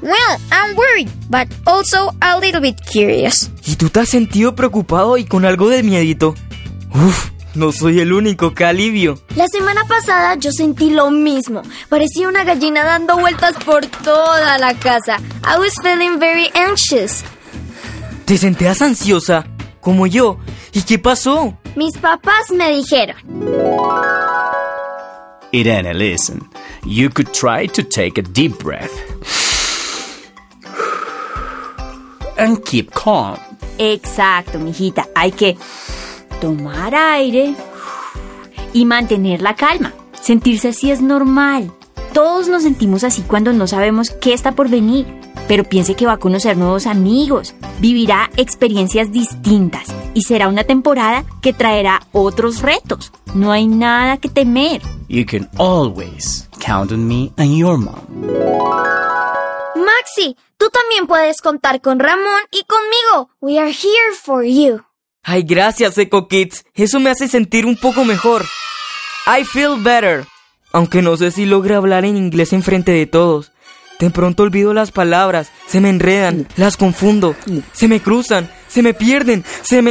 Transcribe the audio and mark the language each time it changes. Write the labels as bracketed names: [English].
[English] Well, I'm worried, but also a little bit curious. [Spanish] ¿Y tú te has sentido preocupado y con algo de miedito? ¡Uf! No soy el único, ¡qué alivio! La semana pasada yo sentí lo mismo. Parecía una gallina dando vueltas por toda la casa. [English] I was feeling very anxious. [Spanish] ¿Te sentías ansiosa? ¿Como yo? ¿Y qué pasó? Mis papás me dijeron... [English] Irene, listen. You could try to take a deep breath. And keep calm. [Spanish] Exacto, mijita. Hay que tomar aire y mantener la calma. Sentirse así es normal. Todos nos sentimos así cuando no sabemos qué está por venir. Pero piense que va a conocer nuevos amigos, vivirá experiencias distintas y será una temporada que traerá otros retos. No hay nada que temer. [English] You can always count on me and your mom. [Spanish] Maxi, tú también puedes contar con Ramón y conmigo. [English] We are here for you. [Spanish] Ay, gracias, Eco Kids. Eso me hace sentir un poco mejor. [English] I feel better. [Spanish] Aunque no sé si logre hablar en inglés en frente de todos. De pronto olvido las palabras, se me enredan, las confundo, se me cruzan, se me pierden, se me...